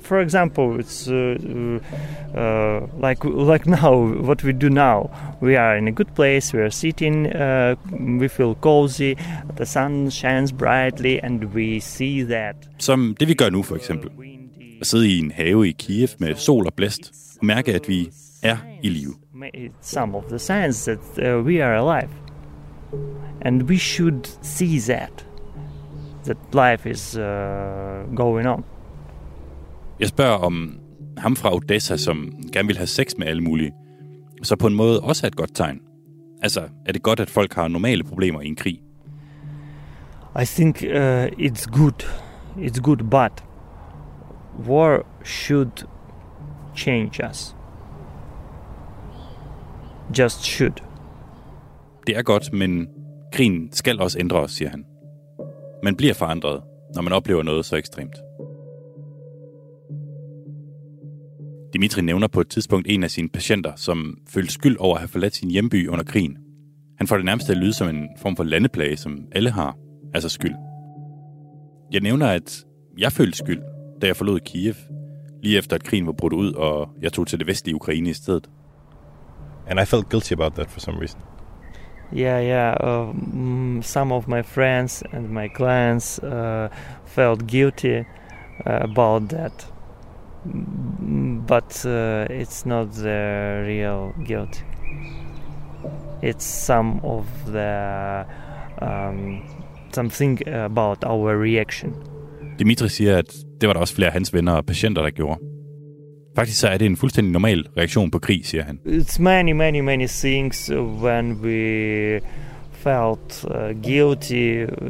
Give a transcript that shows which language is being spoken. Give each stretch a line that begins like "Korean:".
English: For example, it's like now, what we do now. We are in a good place, we are sitting, we feel cozy, the sun shines brightly, and we see that.
Danish: Som det vi gør nu, for eksempel. At sidde i en have i Kiev med sol og blæst, og mærke, at vi er i live.
English: Some of the signs that we are alive. And we should see that. That life is going on.
Danish: Jeg spørger om ham fra Odessa, som gerne vil have sex med alle mulige, så på en måde også er et godt tegn. Altså, er det godt, at folk har normale problemer i en krig?
English: I think it's good. It's good, but war should change us. Just should.
Danish: Det er godt, men krigen skal også ændre os, siger han. Man bliver forandret, når man oplever noget så ekstremt. Dimitri nævner på et tidspunkt en af sine patienter, som følte skyld over at have forladt sin hjemby under krigen. Han får det nærmest at lyde som en form for landeplage, som alle har, altså skyld. Jeg nævner, at jeg følte skyld, da jeg forlod Kiev, lige efter at krigen var brudt ud, og jeg tog til det vestlige Ukraine i stedet.
English: And I felt guilty about that for some reason. Yeah. Some of my friends and my clients felt guilty about that, but it's not the real guilt. It's some of the something about our reaction.
Danish: Dimitri siger, at det var der også flere af hans venner og patienter, der gjorde. Faktisk så er det en fuldstændig normal reaktion på krig, siger han.
English: It's many, many, many things when we felt guilty.